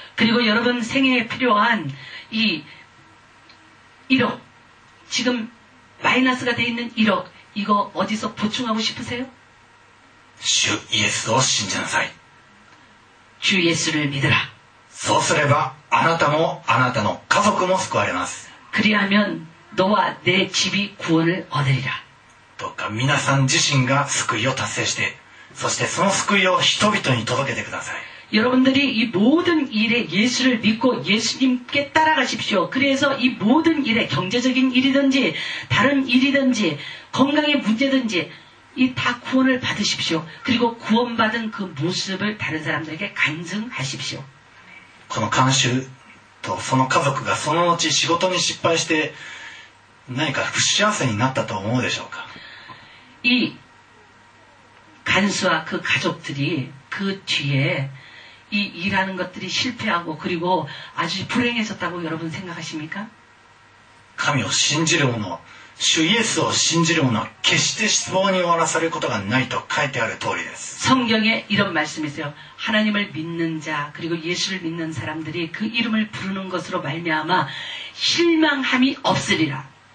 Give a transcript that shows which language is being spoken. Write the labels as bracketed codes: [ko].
[ko] 그리고여러분생애에필요한이1억지금마이너스가되어있는1억이거어디서보충하고싶으세요 주예수를신전사이 주예수를믿으라 [ja] そうすればあなたもあなたの家族も救われます [ko] 그리하면너와내집이구원을얻으리라 [ja] どうか皆さん自身が救いを達成してそしてその救いを人々に届けてください [ko] 여러분들이이모든일에예수를믿고예수님께따라가십시오그래서이모든일에경제적인일이든지다른일이든지건강의문제든지이다구원을받으십시오그리고구원받은그모습을다른사람들에게간증하십시오 [ja] この監修とその家族がその後仕事に失敗して何か不幸せになったと思うでしょうか [ko] 이간수와그가족들이그뒤에 이 일하는 것들이 실패하고 그리고 아주 불행해졌다고 여러분 생각하십니까? [ja] 神を信じる者、主イエスを信じる者は決して失望に終わらされることがないと書いてある通りです。 [ko] 성경에이런말씀이있어요。 하나님을믿는자그리고예수를믿는사람들이그이름을부르는것으로말미암아실망함이없으리라。